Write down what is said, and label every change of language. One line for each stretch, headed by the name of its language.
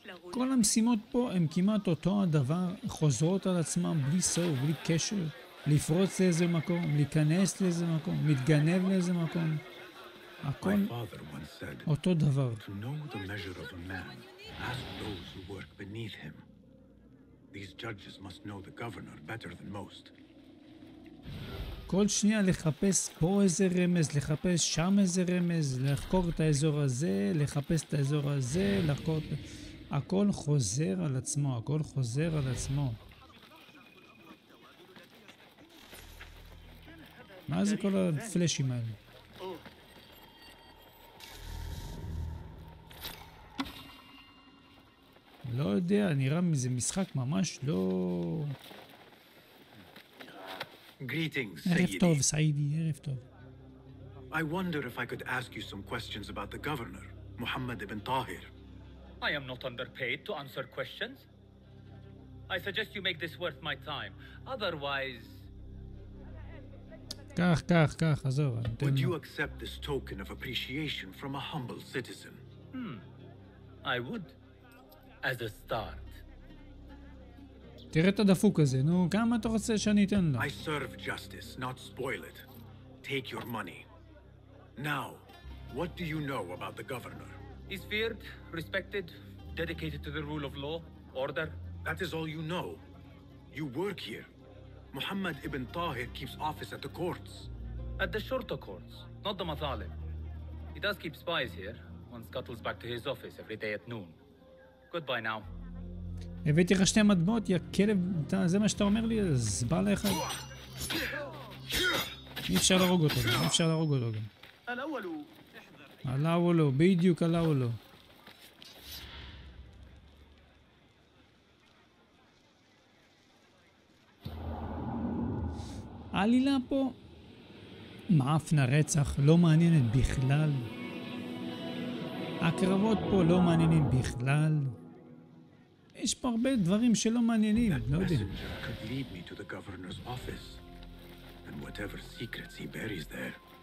Hebrew: כל המשימות פה הם כמעט אותו הדבר, חוזרות על עצמם בלי סוף, בלי קשר, לפרוץ לאיזה מקום, להיכנס לאיזה מקום, להתגנב לאיזה מקום. הכל אותו דבר.
English: To know the measure of a man, ask those who work beneath him. These judges must know the governor better than most.
Hebrew: כל שנייה לחפש פה איזה רמז, לחפש שם איזה רמז, לחקור את האזור הזה, לחפש את האזור הזה, לחקור... הכל חוזר על עצמו, הכל חוזר על עצמו. מה זה כל הפלאשים האלה? לא יודע, נראה מזה משחק ממש לא...
English: Greetings, Sayyidi.
Hebrew: ערב טוב, Sayyidi, ערב טוב.
English: I wonder if I could ask you some questions about the governor, Muhammad ibn Tahir. I am not underpaid to answer questions. I suggest you make this worth my time. Otherwise...
Hebrew: כך, עזוב.
English: Would you accept this token of appreciation from a humble citizen? I would. As a start.
Hebrew: תראה את הדפוק הזה, נו, כמה אתה רוצה שאני אתן לו?
English: I serve justice, not spoil it. Take your money. Now, what do you know about the governor? He's feared, respected, dedicated to the rule of law, order. That is all you know. You work here. Muhammad ibn Tahir keeps office at the courts. At the shorter courts, not the mathalim. He does keep spies here. One scuttles back to his office every day at noon. Goodbye now.
Hebrew: הבאתי לך 2 מטבעות, יא כלב, זה מה שאתה אומר לי, אז בא לך. אי אפשר להרוג אותו, אי אפשר להרוג אותו גם. עלאו לו, בדיוק עלאו לו. עלילה פה, מאפנה רצח, לא מעניינת בכלל. הקרבות פה לא מעניינים בכלל. יש פה הרבה דברים שלא מעניינים, לא יודעים.
English: That messenger could lead me to the governor's office and whatever secrets he buries there.